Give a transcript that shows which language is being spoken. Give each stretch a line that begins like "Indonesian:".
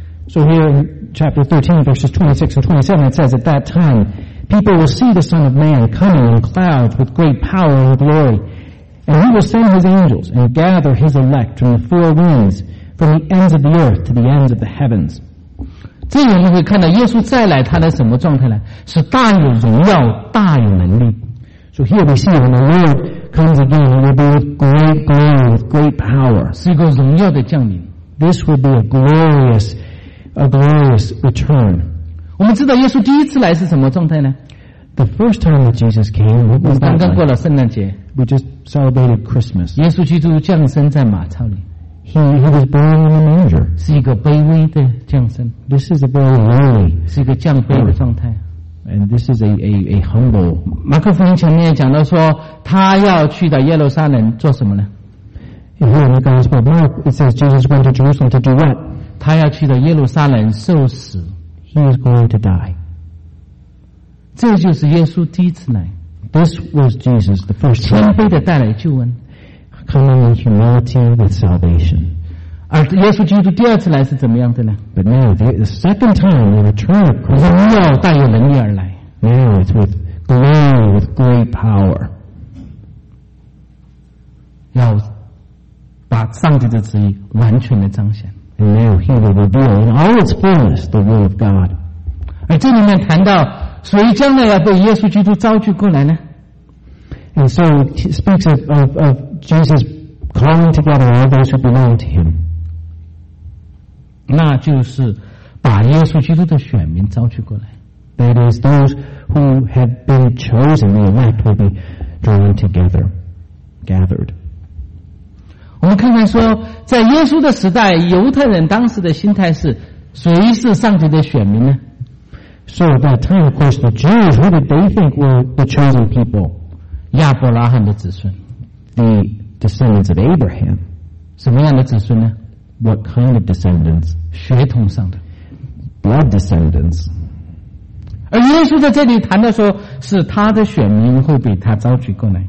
English: So here. Chapter 13, verses 26 and 27, it says, At that time, people will see the Son of Man coming in clouds with great power and glory. And he will send his angels and gather his elect from the four winds, from the ends of the earth to the ends of the heavens.
Chinese: 这里我们会看到耶稣再来他的什么状态呢？是大有荣耀，大有能力。
English: So here we see when the Lord comes again, he will be with great glory, with great power.
Chinese: 是一个荣耀的降临。
English: This will be a glorious return.
Chinese: 我们知道耶稣第一次来是什么状态呢？
English: The first time that Jesus came, what was that like?
Chinese: 刚刚过了圣诞节。
English: We just celebrated Christmas.
Chinese: 耶稣基督降生在马槽里。
English: He was born in a manger.
Chinese: 是一个卑微的降生。
English: This is a very lowly.
Chinese: 是一个降卑的状态。
English: And this is a humble.
Chinese: 马可福音前面讲到说，他要去到耶路撒冷做什么呢？
English: Here in the Gospel of Mark, it says Jesus went to Jerusalem to do what?
Chinese: 他要去到耶路撒冷受死。
English: He is going to die.
Chinese: 这就是耶稣第一次来。
English: This was Jesus the first time.
Chinese: 谦卑的带来救恩。
English: Coming in humility with salvation.
Chinese: 而耶稣基督第二次来是怎么样的呢？
English: But now the second time the return of Christ.
Chinese: 荣耀大有能力而来。
English: Now it's with glory, with great power.
Chinese: 要把上帝的旨意完全的彰显。
English: And now he will reveal in all its fullness the will of God.
Chinese: 而这里面谈到，谁将来要被耶稣基督召聚过来呢？
English: And so it speaks of Jesus calling together all those who belong to him.
Chinese: 那就是把耶稣基督的选民召聚过来。
English: That is, those who have been chosen, the elect, will be drawn together, gathered.
Chinese: 我们看看说，在耶稣的时代，犹太人当时的心态是，谁是上帝的选民呢？
English: So at that time, of course, the Jews, who did they think were the chosen people?
Chinese: 亚伯拉罕的子孙。
English: The descendants of Abraham.
Chinese: 什么样的子孙呢？
English: What kind of descendants?
Chinese: 血统上的。
English: Blood descendants.
Chinese: 而耶稣在这里谈到说，是他的选民会被他召集过来。